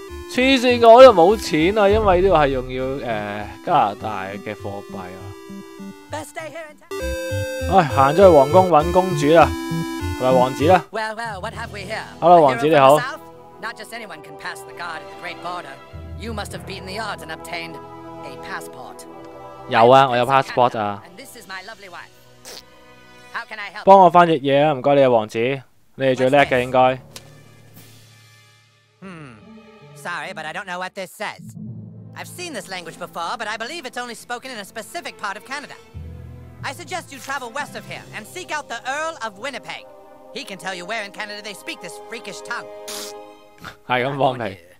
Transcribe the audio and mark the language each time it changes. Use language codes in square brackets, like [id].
[yue] 黐线嘅，我又冇钱啊，因为呢个系用要加拿大嘅货币啊。 [en] Best day here in town. [yue] 唉，行咗去皇宫揾公主啦，同埋王子啦。 [en] Well, well, what have we here? [yue] Hello, 王子你好。 [en] Not just anyone can pass the guard at the Great Border. You must have beaten the odds and obtained a passport. [yue] 有啊，我有 passport 啊。 [en] And this is my lovely wife. [yue] 帮我翻译嘢啊，唔该你啊，王子，你系最叻嘅应该。 [en] Sorry, but I don't know what this says. I've seen this language before, but I believe it's only spoken in a specific part of Canada. I suggest you travel west of here and seek out the Earl of Winnipeg. He can tell you where in Canada they speak this freakish tongue. [yue] 系咁放屁。